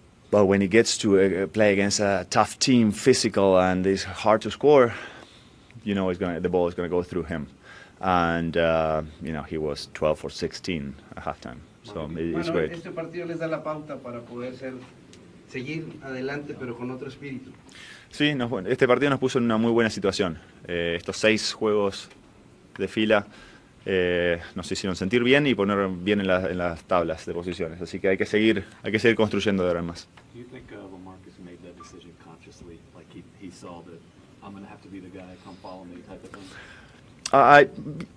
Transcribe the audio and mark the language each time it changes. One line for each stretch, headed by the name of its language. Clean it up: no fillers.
English: But when it gets to play against a tough team, physical, and it's hard to score, you know, the ball is going to go through him. And, you know, he was 12 for 16 at halftime. So it's
Spanish: bueno,
English: great.
Spanish: Este partido les da la pauta para poder seguir adelante, pero con otro espíritu. Sí, este partido nos puso en una muy buena situación. Estos 6 juegos de fila nos hicieron sentir bien y poner bien en las tablas de posiciones, así que hay que seguir construyendo de ahora en más.
English: Do you think LaMarcus made that decision consciously, like he saw that I'm going to have to be the guy, come follow me type of thing?